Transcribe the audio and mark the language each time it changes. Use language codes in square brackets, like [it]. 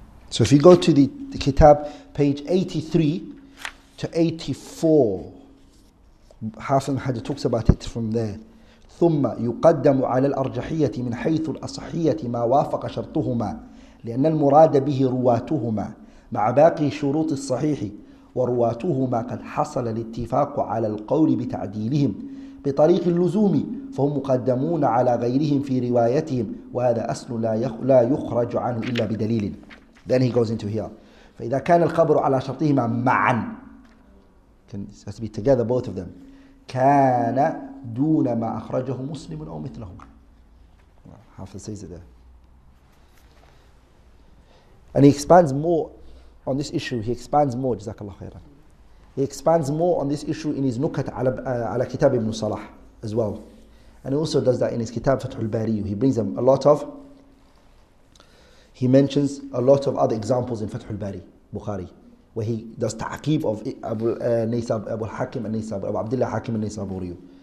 [en] So if you go to the kitab, page 83 to 84, Hafiz Mahajir talks about it from there. [ar] ثم يقدم على الأرجحية من حيث الأصحية ما وافق شرطهما لأن المراد به رواتهما مع باقي شروط الصحيح ورواتهما قد حصل الاتفاق على القول بتعديلهم بطريق اللزوم فهم مقدمون على غيرهم في روايتهم وهذا أصل لا يخرج عنه إلا بدليل. [en] Then he goes into here. [ar] فإذا كان الخبر على شرطهما معا, [en] it has to be together, both of them. [ar] كان دون ما أخرجه مسلم أو مثله. [en] Hafiz says it there. And he expands more on this issue. He expands more, Jazakallah khairan. He expands more on this issue in his Nukat على كتاب ابن صلاح as well. And he also does that in his Kitab Fathul Bari. He brings them a lot of, he mentions a lot of other examples in Fathul Bari, Bukhari, where he does ta'qib of Abu al-Hakim and Nisab, Abu Abdullah Hakim and Nisab Uriyu.